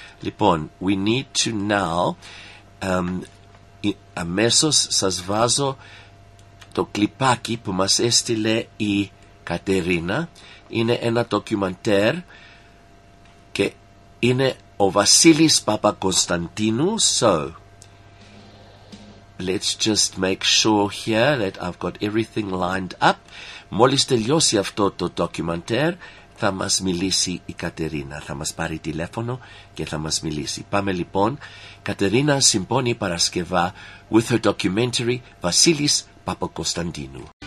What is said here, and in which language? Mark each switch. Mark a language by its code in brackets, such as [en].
[el] Λοιπόν, [en] we need to now, [el] αμέσως σας βάζω το κλιπάκι που μας έστειλε η Κατερίνα. Είναι ένα ντοκιμαντέρ και είναι ο Βασίλης Παπακοσταντίνου. [en] So, let's just make sure here that I've got everything lined up. [el] Μόλις τελειώσει αυτό το ντοκιμαντέρ, θα μας μιλήσει η Κατερίνα, θα μας πάρει τηλέφωνο και θα μας μιλήσει. Πάμε λοιπόν, Κατερίνα Συμπόνη Παρασκευά, [en] with her documentary [el] Βασίλης Παπακοσταντίνου.